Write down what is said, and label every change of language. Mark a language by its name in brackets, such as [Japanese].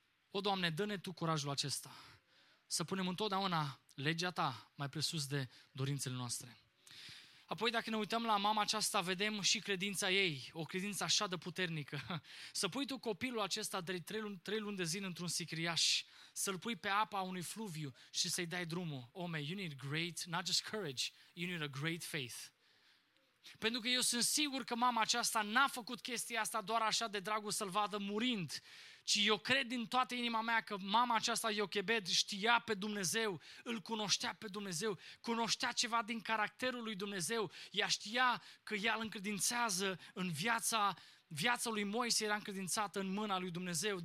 [Romanian] O, Doamne, dă-ne Tu curajul acesta să punem întotdeauna legea Ta mai presus de dorințele noastre. Apoi, dacă ne uităm la mama aceasta, vedem și credința ei, o credință așa de puternică. Să pui tu copilul acesta de 3 luni de zile într-un sicriaș, să-l pui pe apa unui fluviu și să-i dai drumul. [English] Ome, you need great, not just courage, you need a great faith. [Romanian] Pentru că eu sunt sigur că mama aceasta n-a făcut chestia asta doar așa de dragul să-l vadă murind, ci eu cred din toată inima mea că mama aceasta, Iochebed, știa pe Dumnezeu, îl cunoștea pe Dumnezeu, cunoștea ceva din caracterul lui Dumnezeu, ea știa că ea îl încredințează în viața lui Moise, era încredințată în mâna lui Dumnezeu.